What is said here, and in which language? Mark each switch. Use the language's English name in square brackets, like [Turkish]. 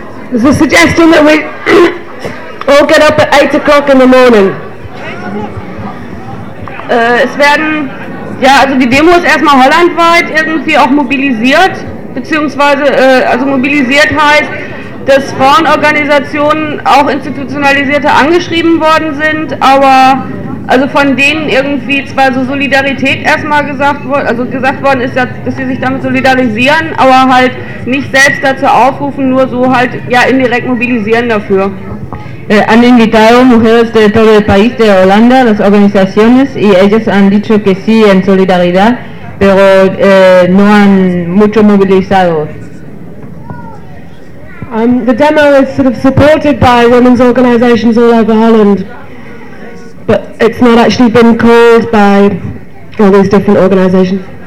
[English] There's a suggestion that we all get up at 8 o'clock in the morning. [German] Es werden, ja, also die Demo ist erstmal hollandweit irgendwie auch mobilisiert, beziehungsweise, also mobilisiert heißt, dass Frauenorganisationen auch institutionalisierte angeschrieben worden sind, aber also von denen irgendwie zwar so Solidarität erstmal gesagt worden ist, dass sie sich damit solidarisieren, aber halt nicht selbst dazu aufrufen, nur so halt ja indirekt mobilisieren dafür. [Spanish] Han invitado mujeres de todo el país, de Holanda, las organizaciones, y ellas han dicho que sí en solidaridad, pero no han mucho movilizado. [English] The demo is sort of supported by women's organizations all over Holland, but it's not actually been called by all these different organizations.